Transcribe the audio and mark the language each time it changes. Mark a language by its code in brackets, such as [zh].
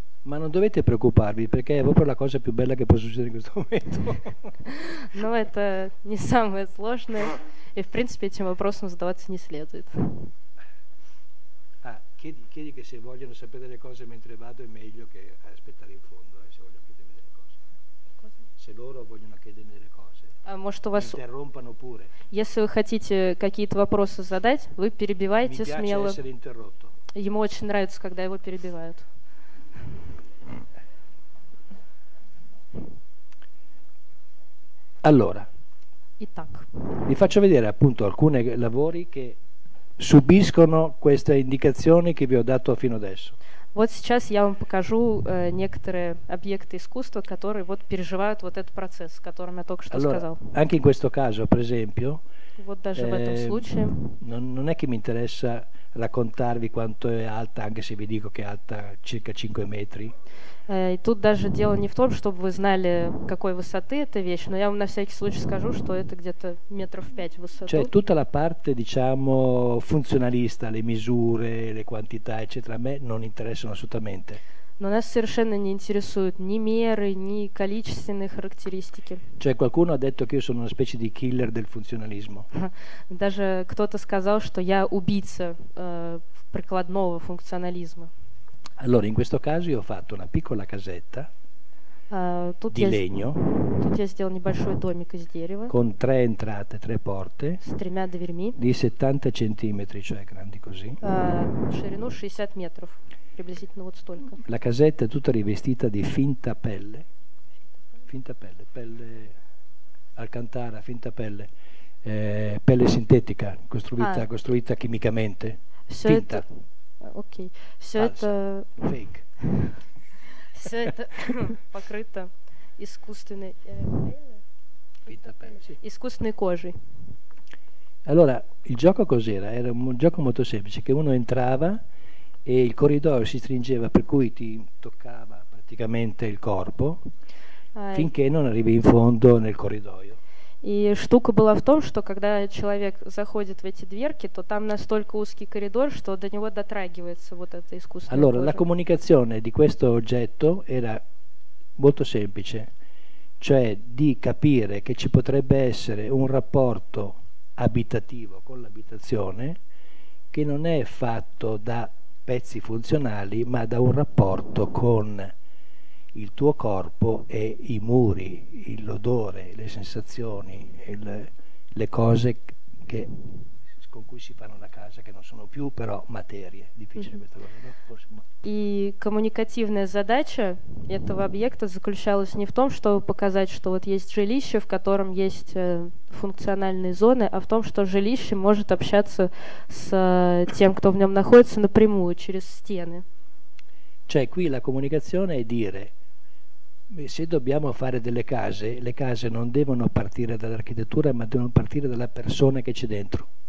[it] Ma non dovete preoccuparvi, perché è proprio la cosa più bella che può succedere in questo momento. [ru] No, это не самое сложное, и в принципе этим вопросом задаваться не следует. [it] Chiedi che se vogliono sapere le cose mentre vado è meglio che aspettare in fondo, se vogliono chiedermi delle cose. Cosa? Se loro vogliono chiedermi delle cose. [ru] Может, у вас... [it] Interrompano pure. [ru] Если вы хотите какие-то вопросы задать, вы перебиваете смело. [it] Mi piace essere interrotto. [ru] Ему очень нравится, когда его перебивают. [it] Allora. [ru] Итак. [it] Vi faccio vedere appunto alcuni lavori che subiscono queste indicazioni che vi ho dato fino adesso. [ru] Вот сейчас я вам покажу некоторые объекты искусства, которые вот переживают вот этот процесс, о котором я только что [it] allora, [ru] сказал. [it] Anche in questo caso, per esempio, [ru] вот даже в этом случае, [it] non è che mi interessa raccontarvi quanto è alta, anche se vi dico che è alta circa 5 metri. [ru] И тут даже дело не в том, чтобы вы знали, какой высоты эта вещь, но я вам на всякий случай скажу, что это где-то метров 5 в высоту. [it] Cioè, tutta la parte, diciamo, funzionalista, le misure, le quantità, eccetera, a me non interessano assolutamente. [ru] Но нас совершенно не интересуют ни меры, ни количественные характеристики. [it] Cioè, qualcuno ha detto che io sono una specie di killer del funzionalismo. [ru] Даже кто-то сказал, что я убийца прикладного функционализма. [it] Allora, in questo caso io ho fatto una piccola casetta di legno. [ru] Тут я сделал небольшой домик из дерева. [it] Con tre entrate, tre porte. [ru] С тремя дверьми. [it] Di 70 centimetri, cioè grandi così. [ru] Ширину 60 метров, приблизительно вот столько. [it] La casetta è tutta rivestita di finta pelle. Finta pelle, pelle alcantara, finta pelle. Pelle sintetica, costruita chimicamente. Finta. [ru] Окей. Все это... Фейк. Все это покрыто искусственной кожей. [it] Allora, il gioco cos'era? Era un gioco molto semplice, che uno entrava e il corridoio si stringeva, per cui ti toccava praticamente il corpo, finché non arrivi in fondo nel corridoio. И штука была в том, что когда человек заходит в эти дверки, то там настолько узкий коридор, что до него дотрагивается вот это искусственное. Allora, la comunicazione di questo oggetto era molto semplice, cioè di capire che ci potrebbe essere un rapporto abitativo con l'abitazione che non è fatto da pezzi funzionali, ma da un rapporto con il tuo corpo e i muri, l'odore, le sensazioni, le cose che, con cui si fanno la casa, che non sono più però materie. Difficile questa cosa, no? Forse, ma... [ru] И коммуникативная задача этого объекта заключалась не в том, чтобы показать, что вот есть жилище, в котором есть функциональные зоны, а в том, что жилище может общаться с тем, кто в нем находится, напрямую, через стены. [it] Cioè, qui la comunicazione è dire: se dobbiamo fare delle case, le case non devono partire dall'architettura, ma devono partire dalla persona che c'è dentro.